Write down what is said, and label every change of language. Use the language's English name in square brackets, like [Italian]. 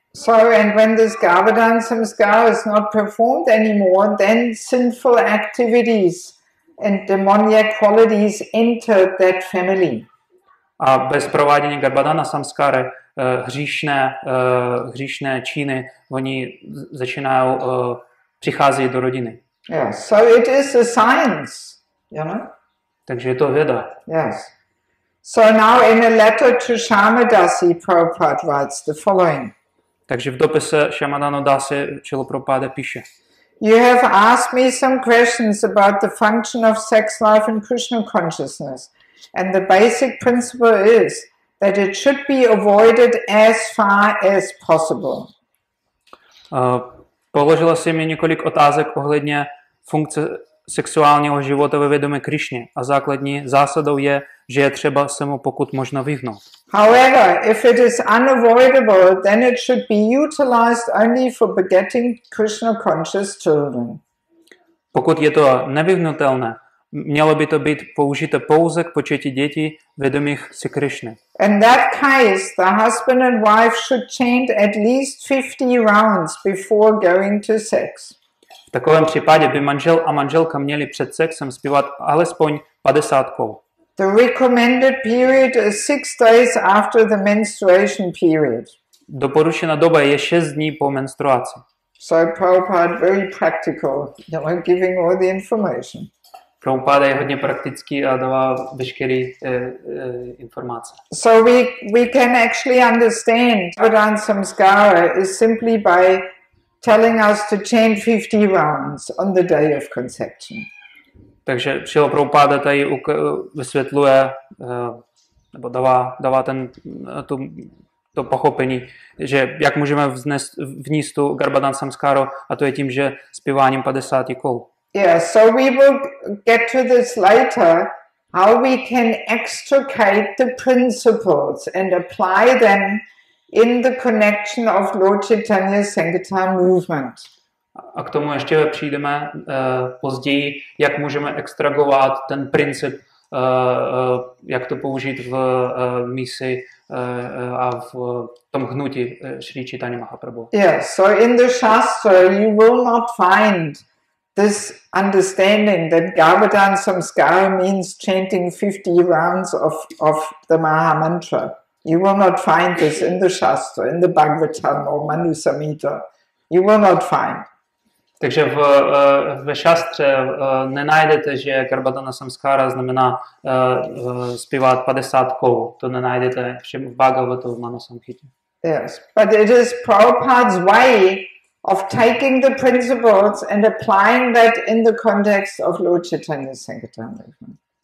[English] So and when this Garbhadhan samskara is not performed anymore, then sinful activities and demoniac qualities enter that family. [Czech] A bez provádění Garbhadhana samskáry hříšné činy oni začínají přicházet do rodiny. [English] Yes. So it is a science, you know? [Czech] Takže je to věda. [English] Yes. So now in a letter to Shyamadasi, Prabhupada writes the following. [Czech] Takže v dopise Shyamananda Dasi Srila Prabhupada píše. [English] You have asked me some questions about the function of sex life and Krishna consciousness. And the basic principle is that it should be avoided as far as possible. [Czech] Položila si mi několik otázek ohledně funkce sexuálního života ve vědomí Krišně a základní zásadou je, že je třeba se mu pokud možno vyhnout. [English] However, if it is unavoidable, then it should be utilized only for begetting Krishna conscious children. [Czech] Pokud je to nevyhnutelné, mělo by to být použito pouze k početí dětí vědomých si Krišny. [English] In that case, the husband and wife should chant at least 50 rounds before going to sex. [Czech] V takovém případě by manžel a manželka měli před sexem zpívat alespoň 50 kol. [English] The recommended period is 6 days after the menstruation period. [Czech] Doporučená doba je 6 dní po menstruaci. [English] So Prabhupada very practical, you know, giving all the information. [Czech] Prabhupada je hodně praktický a dává veškeré informace. [English] So we can actually understand Garbhadhan samskara is simply by telling us to chant 50 rounds on the day of conception. [Czech] Takže Srila Prabhupada tady vysvětluje nebo dává ten to pochopení, že jak můžeme vníst tu Garbhadhan samskaru a to je tím, že zpíváním 50 kol. [English] Yeah, so we will get to this later, how we can extricate the principles and apply them in the connection of Lord Chaitanya Sankirtan movement. [Czech] A k tomu ještě přijdeme později, jak můžeme extragovat ten princip jak to použít v mísi a v tom hnutí Sri Chaitanya Mahaprabhu. [English] Yeah, so in the Shastra you will not find this understanding that Gavadan Samskara means chanting 50 rounds of the Maha Mantra. You will not find this in the Shastra, in the Bhagavatam or Manu Samhita. You will not find. [Czech] Takže ve šastře nenajdete, že Garbhadana Samskara znamená zpívat 50 kou. To nenajdete všem v Bhagavatu, v Manu Samhita. [English] Yes, but it is Prabhupada's way of taking the principles and applying that in the context of Lord Chaitanya's Sankirtan movement.